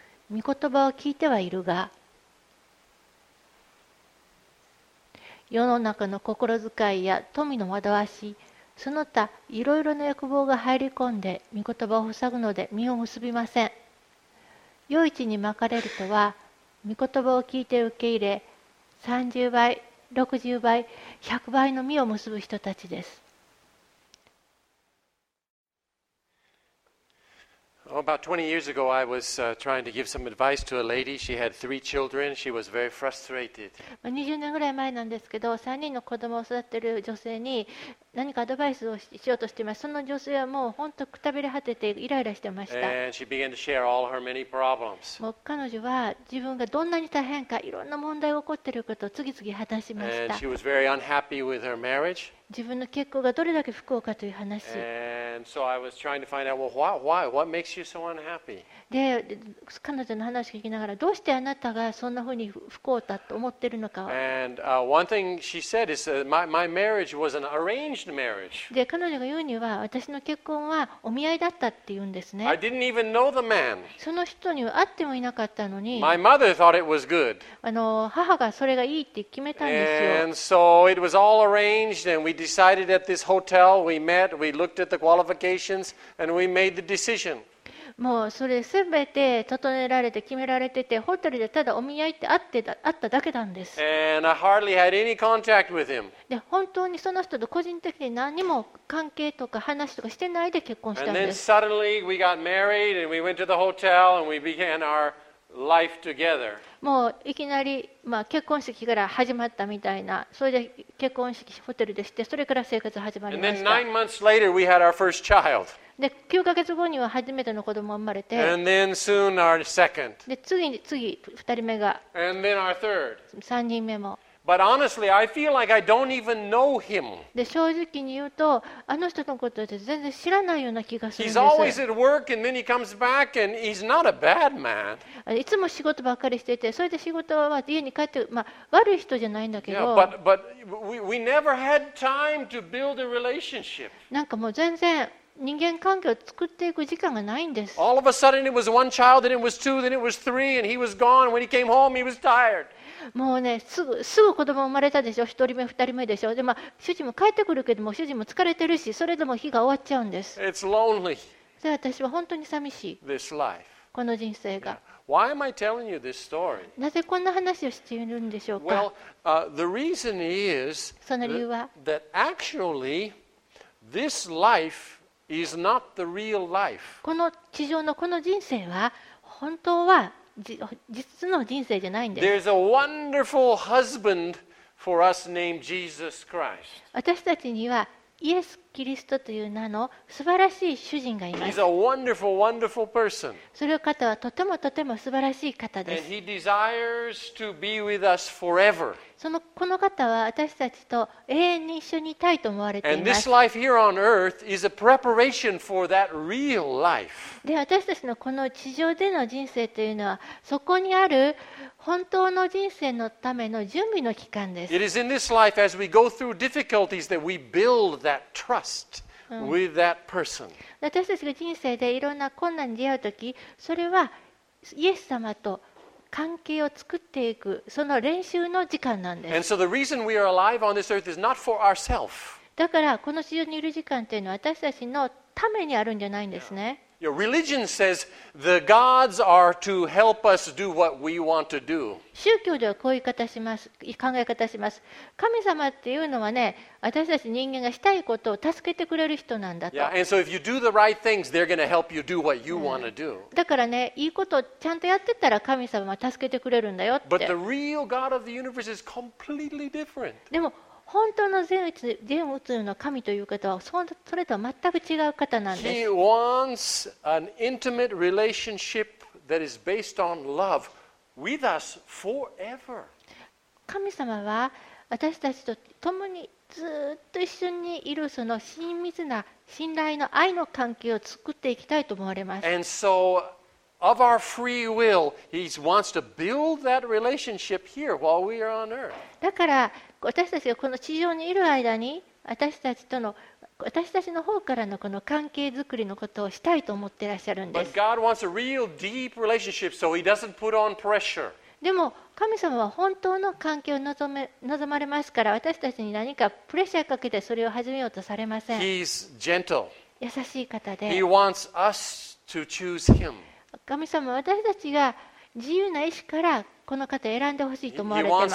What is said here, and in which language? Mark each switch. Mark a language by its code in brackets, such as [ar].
[ja] 御言葉を聞いてはいるが、世の中の心遣いや富の惑わし、その他いろいろな欲望が入り込んで御言葉を塞ぐので実を結びません。良い地にまかれるとは御言葉を聞いて受け入れ30倍、60倍、100倍の実を結ぶ人たちです。 [en] About 20 years ago, I was trying to give some advice to a lady. She had three children. She was very frustrated. [ja] 20年ぐらい前なんですけど、3人の子供を育てる女性に何かアドバイスをしようとしています。その女性はもう本当くたびれ果ててイライラしてました。 [en] And she began to share all her many problems. [ja] もう彼女は自分がどんなに大変かいろんな問題が起こっていることを次々話しました。 [en] And she was very unhappy with her marriage. [ja] 自分の結婚がどれだけ不幸かという話。 [en] And And so I was trying to find out, well, why? What makes you so unhappy? [ja] で、彼女の話を聞きながら、どうしてあなたがそんなふうに不幸だと思ってるのか。 [en] And one thing she said is my marriage was an arranged marriage. [ja] で、彼女が言うには、私の結婚はお見合いだったって言うんですね。 [en] I didn't even know the man. [ja] その人には会ってもいなかったのに。 [en] My mother thought it was good. [ja] 母がそれがいいって決めたんですよ。 [en] And so it was all arranged, and we decided at this hotel, we met, we looked at the qualifications, and we made the decision. [ja] もうそれすべて整えられて決められてて、ホテルでただお見合いって会っただけなんです。 [en] And I hardly had any contact with him. [ja] で、本当にその人と個人的に何も関係とか話とかしてないで結婚したんです。 [en] And then suddenly we got married and we went to the hotel and we began our life together. [ja] もういきなり、結婚式から始まったみたいな、それで結婚式ホテルでして、それから生活始まりました。 [en] And then 9 months later we had our first child. [ja] で9ヶ月後には初めての子供が生まれて、 [en] And then soon our second. [ja] で次2人目が、 [en] And then our third. [ja] 3人目も。 [en] But honestly, I feel like I don't even know him. [ja] で正直に言うと、あの人のことって全然知らないような気がするんです。 [en] He's always at work, and then he comes back, and he's not a bad man. [ja] いつも仕事ばっかりしてて、それで仕事は家に帰って、悪い人じゃないんだけど。 [en] Yeah, but we never had time to build a relationship. [ja] なんかもう全然。人間関係を作っていく時間がないんです。 [en] All of a sudden it was one child, then it was two, then it was three, and he was gone. When he came home, he was tired. [ja] もうね、すぐ子供生まれたでしょ。一人目、二人目でしょ。で、主人も帰ってくるけども、主人も疲れてるし、それでも日が終わっちゃうんです。 [en] It's lonely. [ja] で、私は本当に寂しい。 [en] This life. [ja] この人生が。 [en] Why am I telling you this story? [ja] なぜこんな話をしているんでしょうか。 [en] Well, the reason is [ja] その理由は [en] that actually this lifeIs not the real life. [ja] この地上のこの人生は本当は実の人生じゃないんです。 [en] There's a wonderful husband for us named Jesus Christ. [ja] 私たちにはイエス・キリストという名の素晴らしい主人がいます。 [en] He's a wonderful, wonderful person. [ja] その方はとてもとても素晴らしい方です。 [en] And he desires to be with us forever. [ja] この方は私たちと永遠に一緒にいたいと思われています。 [en] And this life here on earth is a preparation for that real life. [ja] で、私たちのこの地上での人生というのは、そこにある本当の人生のための準備の期間です。 [en] It is in this life as we go through difficulties that we build that trust with that person. [ja] 私たちが人生でいろんな困難に出会うとき、それはイエス様と関係を作っていくその練習の時間なんです。 [en] And so the reason we are alive on this earth is not for ourselves. [ja] だからこの地上にいる時間というのは私たちのためにあるんじゃないんですね。 [en] Yeah. Your religion says the gods are to help us do what we want to do. [ja] 宗教ではこういう考え方します。神様っていうのはね、私たち人間がしたいことを助けてくれる人なんだと。 [en] Yeah, and so if you do the right things, they're going to help you do what you want to do. [ja] だからね、いいことをちゃんとやってたら神様は助けてくれるんだよって。 [en] But the real God of the universe is completely different. [ja] でも本当の善宇宙の神という方はそれとは全く違う方なんです。 [en] He wants an intimate relationship that is based on love with us forever. [ja] 神様は私たちと共にずっと一緒にいるその親密な信頼の愛の関係を作っていきたいと思われます。 [en] And so, of our free will, He wants to build that relationship here while we are on earth. [ja] だから私たちがこの地上にいる間に私たちとの私たちの方からのこの関係づくりのことをしたいと思っていらっしゃるんです。 [en] But God wants a real deep relationship, so He doesn't put on pressure. [ja] でも神様は本当の関係を望まれますから私たちに何かプレッシャーかけてそれを始めようとされません。 [en] He's gentle. [ja] 優しい方で。 [en] He wants us to choose Him. [ja] 神様は私たちが自由な意思からこの方を選んでほしいと思われています